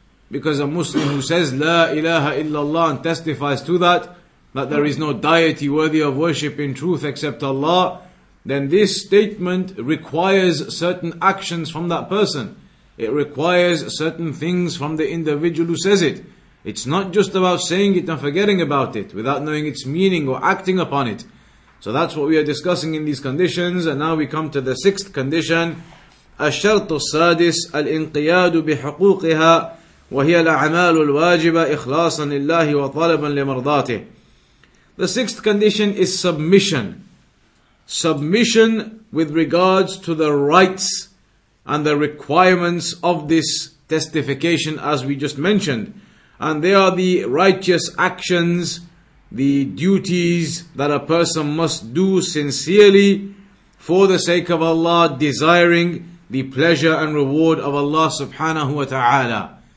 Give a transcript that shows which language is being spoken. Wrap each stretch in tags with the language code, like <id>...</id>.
<en>Because a Muslim who says La ilaha illallah and testifies to that, that there is no deity worthy of worship in truth except Allah, then this statement requires certain actions from that person. It requires certain things from the individual who says it. It's not just about saying it and forgetting about it without knowing its meaning or acting upon it. So that's what we are discussing in these conditions. And now we come to the sixth condition.</en> <ar>الشرط السادس الانقياد بحقوقها وهي الأعمال الواجبة إخلاصا لله وطلبا لمرضاته.</ar> <en>The sixth condition is submission. Submission with regards to the rights and the requirements of this testification as we just mentioned. And they are the righteous actions, the duties that a person must do sincerely for the sake of Allah, desiring the pleasure and reward of Allah subhanahu wa ta'ala.</en>